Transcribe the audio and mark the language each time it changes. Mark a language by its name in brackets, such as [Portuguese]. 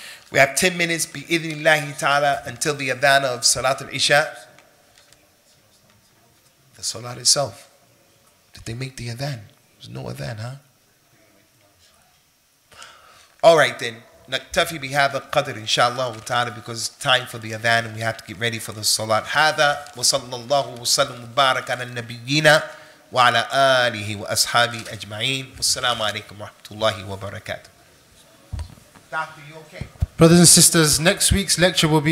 [English] We have 10 minutes, bi-idhnillahi ta'ala, until the adhan of Salat al-Isha. The Salat itself. Did they make the adhan? There's no adhan, huh? All right, then. [Arabic] نكتفي بهذا القدر إن شاء الله تعالى [English] because it's time for the adhan and we have to get ready for the salat. [Arabic] هذا وصلى الله وسلم وبارك على النبيين وعلى آله وأصحابه أجمعين والسلام عليكم ورحمة الله وبركاته. [English] Doctor, you okay? Brothers and sisters, next week's lecture will be